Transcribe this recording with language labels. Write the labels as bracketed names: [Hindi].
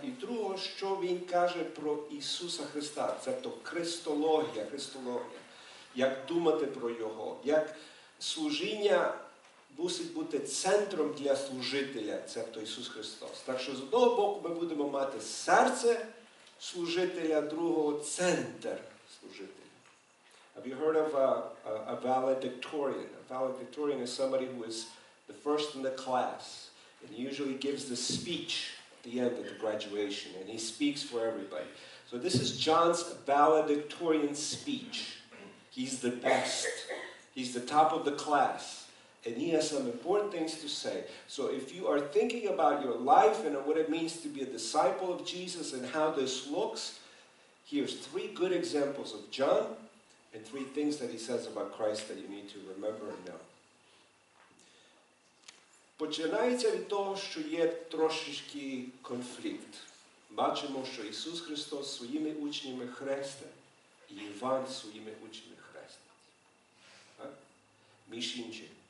[Ukrainian] І друге, що він каже про Ісуса Христа, тобто христологія, христологія, як думати про Його, як служіння мусить бути центром для служителя, тобто Ісус Христос. Так що, з одного боку, ми будемо мати серце служителя, другого – центр служителя. [English] Have you heard of a valedictorian? A valedictorian is somebody who is the first in the class. And he usually gives the speech at the end of the graduation, and he speaks for everybody. So this is John's valedictorian speech. He's the best. He's the top of the class. And he has some important things to say. So if you are thinking about your life and what it means to be a disciple of Jesus and how this looks, here's three good examples of John and three things that he says about Christ that you need to remember and know. [Ukrainian] Починається від того, що є трошечки конфлікт. Бачимо, що Ісус Христос своїми учнями хрестить, і Іван своїми учнями хрестить. Так? Між іншим.